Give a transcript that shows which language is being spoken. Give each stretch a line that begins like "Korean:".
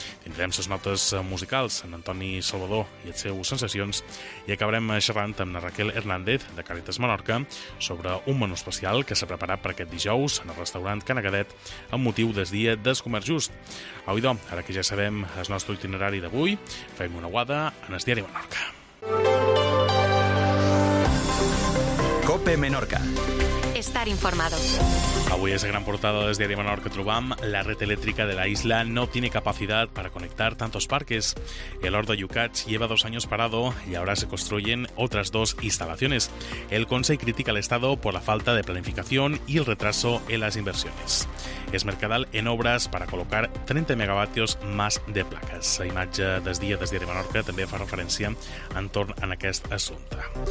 Catalan: Tindrem les notes musicals en Antoni Salvador i les seves sensacions i acabarem xerrant amb na Raquel Hernández de Càritas Menorca sobre un menú especial que s'ha preparat per aquest dijous en el restaurant Canagadet amb motiu del dia del comerç just. Oidò, ara que ja sabem el nostre itinerari d'avui, fem una guada en el diari Menorca. COPE Menorca.
Spanish: Estar informado.
Catalan: Avui és la gran portada del diari Menorca que trobam.
Spanish: La red elèctrica de la isla no tiene capacidad para conectar tantos parques. El Hort de Yucats lleva 2 años parado y ahora se construyen otras 2 instalaciones. El Consell critica al Estado por la falta de planificación y el retraso en las inversiones. Es Mercadal en obras para colocar 30 megavatios más de placas.
Catalan: La imatge del dia del diari Menorca també fa referència entorn en aquest assumpte.